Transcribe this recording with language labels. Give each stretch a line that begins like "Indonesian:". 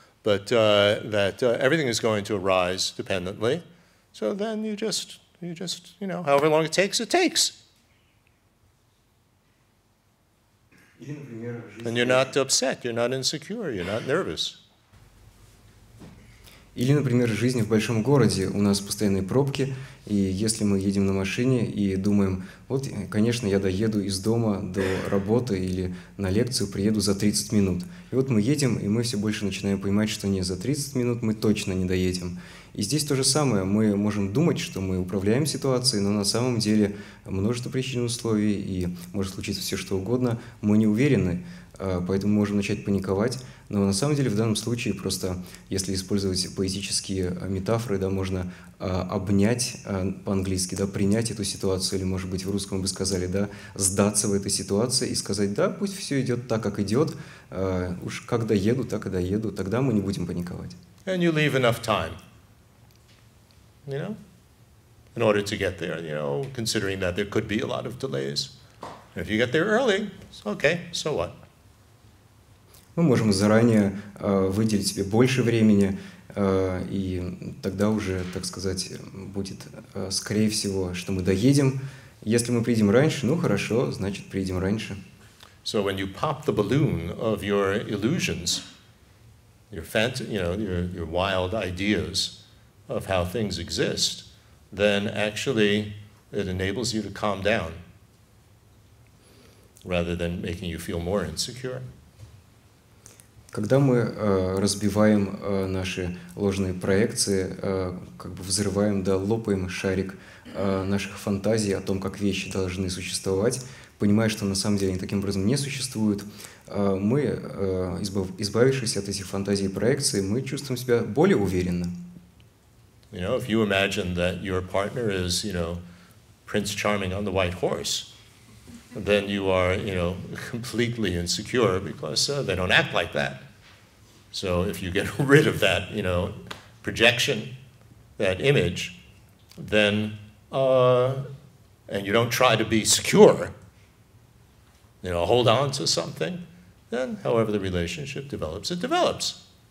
English: But everything is going to arise dependently. So then you just, you know, however long it takes, it takes. And you're not upset, you're not insecure, you're not nervous.
Russian: Или, например, жизнь в большом городе, у нас постоянные пробки, и если мы едем на машине и думаем, вот, конечно, я доеду из дома до работы или на лекцию, приеду за 30 минут. И вот мы едем, и мы все больше начинаем понимать, что не за 30 минут мы точно не доедем. И здесь то же самое, мы можем думать, что мы управляем ситуацией, но на самом деле множество причин и условий, и может случиться все что угодно, мы не уверены. Поэтому можем начать паниковать, но на самом деле в данном случае просто, если использовать поэтические метафоры, да, можно обнять по-английски, да, принять эту ситуацию, или, может быть, в русском бы сказали, да, сдаться в этой ситуации и сказать, да, пусть все идет так, как идет, уж как доеду, так и доеду, тогда мы не будем паниковать.
English: And you leave enough time, you know, in order to get there, you know, considering that there could be a lot of delays. If you get there early, it's okay, so what?
Russian: Мы можем заранее выделить себе больше времени, и тогда уже, так сказать, будет, скорее всего, что мы доедем. Если мы приедем раньше, ну хорошо, значит, приедем раньше.
English: So when you pop the balloon of your illusions, your fantasy, you know, your wild ideas of how things exist, then actually it enables you to calm down, rather than making you feel more insecure.
Russian: Когда мы разбиваем наши ложные проекции, как бы взрываем, да, лопаем шарик наших фантазий о том, как вещи должны существовать, понимая, что на самом деле они таким образом не существуют, мы, избавившись от этих фантазий и проекций, мы чувствуем себя более уверенно.
English: You know, if you imagine that your partner is, you know, Prince Charming on the White Horse, then you are, you know, completely insecure because they don't act like that. So if you get rid of that, you know, projection, that image, then, and you don't try to be secure, you know, hold on to something, then however the relationship develops, it develops.